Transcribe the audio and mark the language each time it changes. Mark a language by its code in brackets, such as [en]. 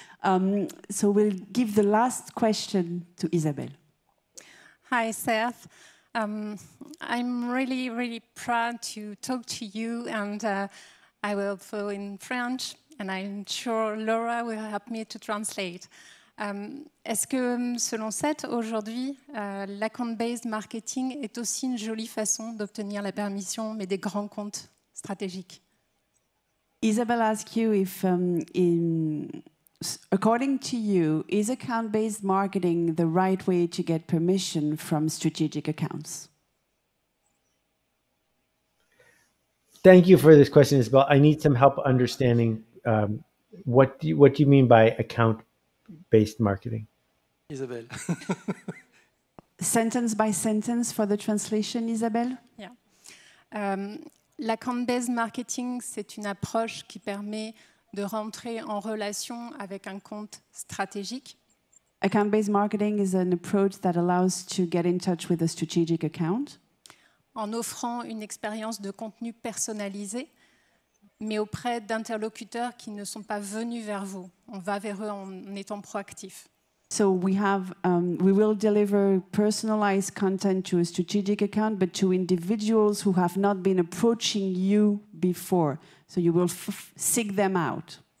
[en] So we'll give the last question to Isabel. Hi, Seth. I'm really, really proud to talk to you, and I will follow in French, and I'm sure Laura will help me to translate. [fr] Est-ce que, selon Seth, aujourd'hui, l'account-based marketing est aussi une jolie façon d'obtenir la permission, mais des grands comptes? [en] Strategic. Isabel asks you if, according to you, is account-based marketing the right way to get permission from strategic accounts? Thank you for this question, Isabel. I need some help understanding what do you mean by account-based marketing? Isabel. Sentence by sentence for the translation, Isabel? Yeah. [fr] L'account-based marketing, c'est une approche qui permet de rentrer en relation avec un compte stratégique. [en] Account-based marketing is an approach that allows to get in touch with a strategic account. [fr] En offrant une expérience de contenu personnalisé, mais auprès d'interlocuteurs qui ne sont pas venus vers vous. On va vers eux en étant proactif. [en] So we will deliver personalized content to a strategic account, but to individuals who have not been approaching you before. So you will seek them out.